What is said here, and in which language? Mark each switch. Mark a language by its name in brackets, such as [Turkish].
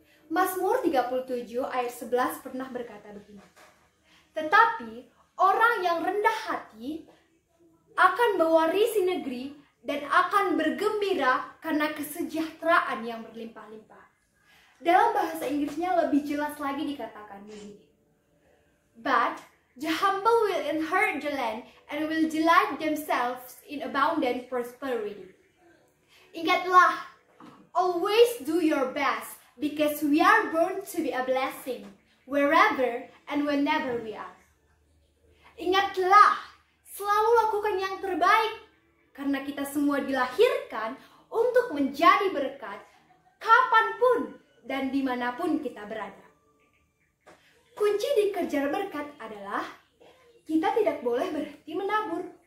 [Indonesian] Mazmur 37 ayat 11 pernah berkata begini, tetapi orang yang rendah hati akan mewarisi negeri dan akan bergembira karena kesejahteraan yang berlimpah-limpah. Dalam bahasa Inggrisnya lebih jelas lagi dikatakan begini. [English] But the humble will inherit the land and will delight themselves in abundant prosperity. [Indonesian] Ingatlah, [English] always do your best because we are born to be a blessing wherever and whenever we are. [Indonesian] Ingatlah, selalu lakukan yang terbaik, karena kita semua dilahirkan untuk menjadi berkat kapanpun dan dimanapun kita berada. Kunci dikejar berkat adalah, kita tidak boleh berhenti menabur.